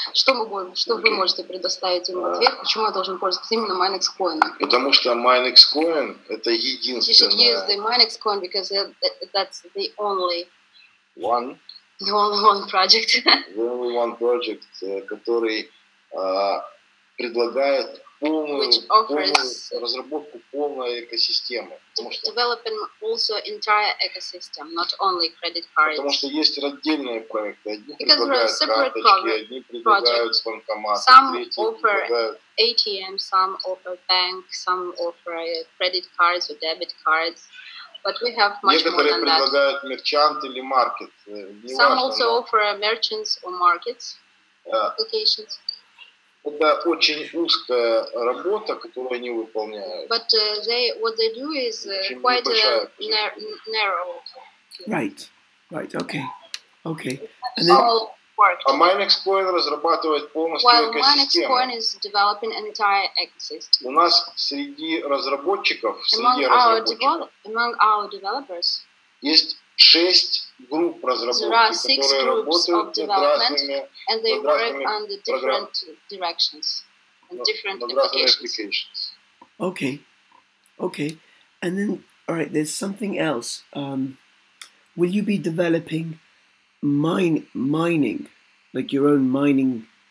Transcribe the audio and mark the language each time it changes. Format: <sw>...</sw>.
<ru>Вы можете предоставить им в ответ, почему я должен пользоваться именно Minexcoin? Потому что Minexcoin это единственное.</ru> <en>You should use the Minexcoin because that's the only one. The only one project. The only one project,</en> <ru>который предлагает полную разработку полной экосистемы.</ru> <en>Developing also entire ecosystem, not only credit cards.</en> <ru>Потому что есть отдельные проекты. Одни предлагают карточки, одни предлагают банкоматы.</ru> <en>Some offer ATM, some offer bank, some offer credit cards or debit cards. But we have much more than that.</en> <ru>Некоторые предлагают мерчант или маркет.</ru> <en>Some also offer merchants or markets applications.</en> <ru>Это очень узкая работа, которую они выполняют.</ru> <en>But what they do is quite narrow. Right, okay. And then,</en> <ru>а Minexcoin разрабатывает полностью экосистему.</ru> <en>While Minexcoin is developing an entire ecosystem.</en> <ru>У нас среди разработчиков,</ru> <en>among our developers,</en> <ru>есть 6 групп разработчиков, которые работают над разными,</ru> <en>and they work on the different directions and different applications. Okay. And then, all right, there's something else. Will you be developing mining, like your own mining?</en>